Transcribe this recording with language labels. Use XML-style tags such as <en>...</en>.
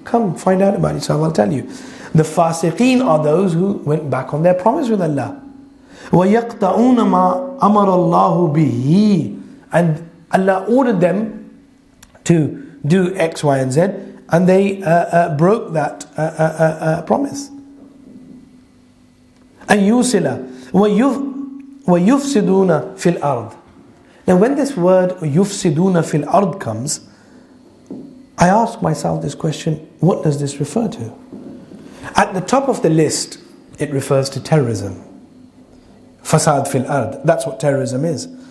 <en>Come, find out about yourself, I'll tell you. The fasiqeen are those who went back on their promise with Allah.</en> <ar>وَيَقْطَعُونَ مَا أَمَرَ اللَّهُ بِهِ.</ar> <en>And Allah ordered them to do X, Y, and Z, and they broke that promise.</en> <ar>And yusila, وَيُفْسِدُونَ فِي الْأَرْضِ.</ar> <en>Now when this word yufsiduna fil ard comes, I ask myself this question, what does this refer to? At the top of the list, it refers to terrorism. Fasad fil ard, that's what terrorism is.</en>